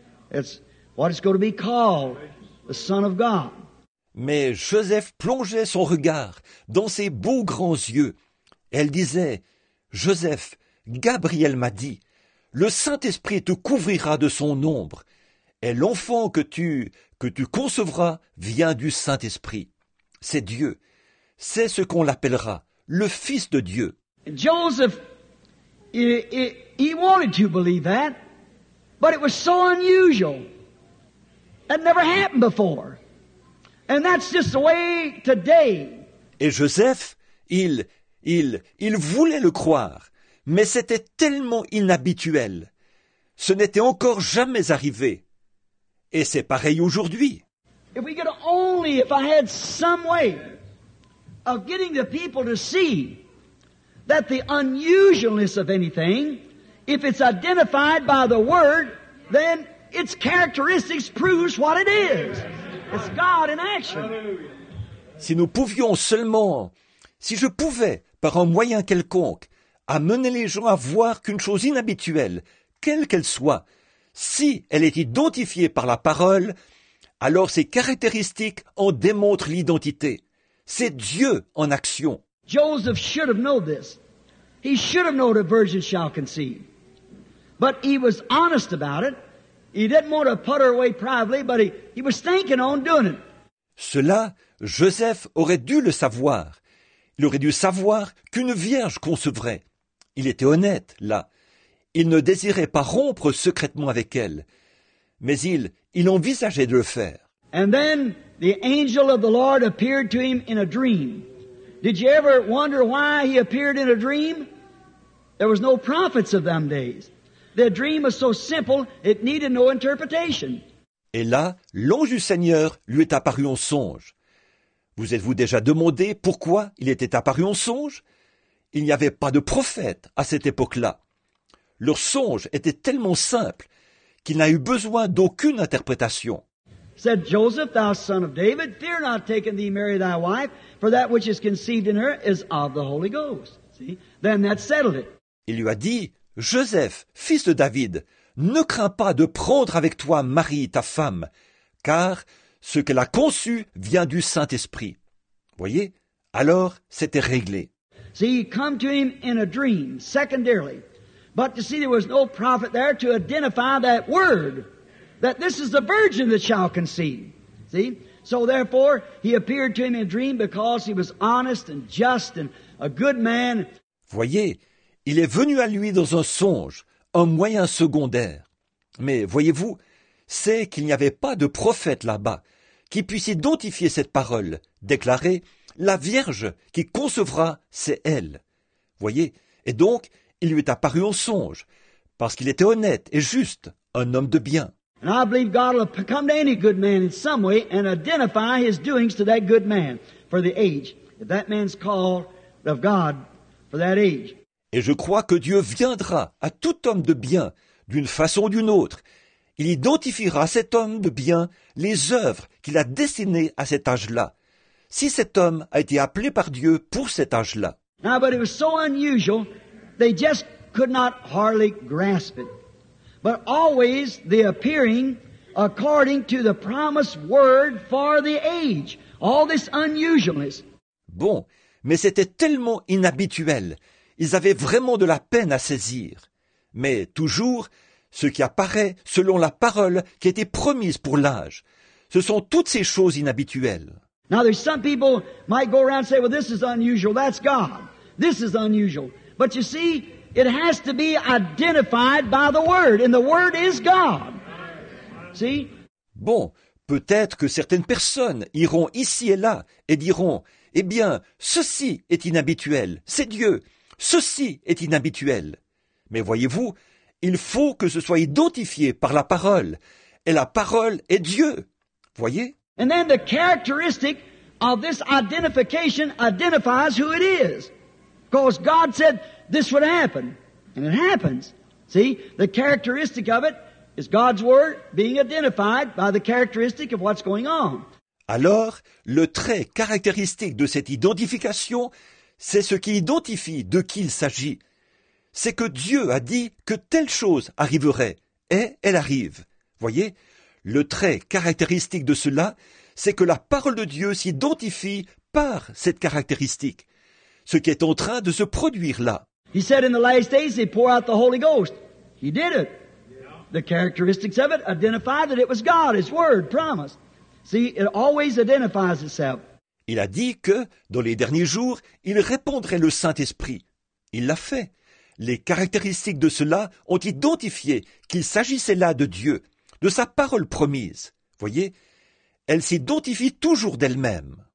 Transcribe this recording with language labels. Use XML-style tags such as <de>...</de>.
<en>It's what it's going to be called, the Son of God.</en> <fr>Mais Joseph plongeait son regard dans ses beaux grands yeux. Elle disait, « Joseph, Gabriel m'a dit, le Saint-Esprit te couvrira de son ombre, et l'enfant que tu concevras vient du Saint-Esprit. C'est Dieu, c'est ce qu'on l'appellera, le Fils de Dieu. »</fr> <en>Joseph, he wanted to believe that, but it was so unusual. That never happened before. And that's just the way today.</en> <fr>Et Joseph, il voulait le croire, mais c'était tellement inhabituel. Ce n'était encore jamais arrivé. Et c'est pareil aujourd'hui.</fr> <en>If we could only, if I had some way of getting the people to see that the unusualness of anything, if it's identified by the Word, then its characteristics proves what it is. It's God in action.</en> <fr>Si nous pouvions seulement, si je pouvais, par un moyen quelconque, amener les gens à voir qu'une chose inhabituelle, quelle qu'elle soit, si elle est identifiée par la parole, alors ses caractéristiques en démontrent l'identité. C'est Dieu en action.</fr> <en>Joseph should have known this. He should have known a virgin shall conceive. But he was honest about it. He didn't want to put her away privately, but he was thinking on doing it.</en> <fr>Cela, Joseph aurait dû le savoir. Il aurait dû savoir qu'une vierge concevrait. Il était honnête, là. Il ne désirait pas rompre secrètement avec elle. Mais il envisageait de le faire.</fr> <en>And then the angel of the Lord appeared to him in a dream. Did you ever wonder why he appeared in a dream? There was no prophets of them days. The dream was so simple, it needed no interpretation.</en> <fr>Et là, l'ange du Seigneur lui est apparu en songe. Vous êtes-vous déjà demandé pourquoi il était apparu en songe? Il n'y avait pas de prophète à cette époque-là. Leur songe était tellement simple qu'il n'a eu besoin d'aucune interprétation.</fr> <en>Said Joseph, thou son of David, fear not taking thee Mary thy wife, for that which is conceived in her is of the Holy Ghost. See? Then that settled it.</en> <fr>Il lui a dit, Joseph, fils de David, ne crains pas de prendre avec toi Marie, ta femme, car ce qu'elle a conçu vient du Saint-Esprit. Voyez, alors c'était réglé.</fr> <en>See, he come to him in a dream, secondarily. But you see, there was no prophet there to identify that word. That this is the virgin that shall conceive. See? So therefore, he appeared to him in a dream because he was honest and just and a good man.</en> <fr>Voyez, il est venu à lui dans un songe, un moyen secondaire. Mais voyez-vous, c'est qu'il n'y avait pas de prophète là-bas qui puisse identifier cette parole, déclarer « La Vierge qui concevra, c'est elle ». Voyez, et donc, il lui est apparu en songe, parce qu'il était honnête et juste, un homme de bien.</fr> <en>And I believe God will come to any good man in some way and identify his doings to that good man for the age. If that man's called of God for that age.</en> <fr>Et je crois que Dieu viendra à tout homme de bien d'une façon ou d'une autre. Il identifiera cet homme de bien les œuvres qu'il a destinées à cet âge-là. Si cet homme a été appelé par Dieu pour cet âge-là.</fr> <en>Now, but it was so unusual, they just could not hardly grasp it. But always the appearing according to the promised word for the age. All this unusualness.</en> <fr>Bon, mais c'était tellement inhabituel. Ils avaient vraiment de la peine à saisir. Mais toujours, ce qui apparaît selon la parole qui était promise pour l'âge. Ce sont toutes ces choses inhabituelles.</fr> <en>Now there's some people might go around and say, well, this is unusual, that's God. This is unusual. But you see, it has to be identified by the Word, and the Word is God. See?</en> <fr>Bon, peut-être que certaines personnes iront ici et là et diront, eh bien, ceci est inhabituel, c'est Dieu, ceci est inhabituel. Mais voyez-vous, il faut que ce soit identifié par la parole, et la parole est Dieu. Voyez?</fr> <en>And then the characteristic of this identification identifies who it is. Because God said, this would happen, and it happens. See, the characteristic of it is God's word being identified by the characteristic of what's going on.</en> <fr>Alors, le trait caractéristique de cette identification, c'est ce qui identifie de qui il s'agit. C'est que Dieu a dit que telle chose arriverait, et elle arrive. Voyez, le trait caractéristique de cela, c'est que la parole de Dieu s'identifie par cette caractéristique, ce qui est en train de se produire là.</fr> <en>He said in the last days they pour out the Holy Ghost. He did it. The characteristics of it identify that it was God, His Word, promise. See, it always identifies itself.</en> <fr>Il a dit que, dans les derniers jours, il répandrait le Saint-Esprit. Il l'a fait. Les caractéristiques de cela ont identifié qu'il s'agissait là de Dieu, de sa parole promise. Voyez, elle s'identifie toujours d'elle-même.</fr>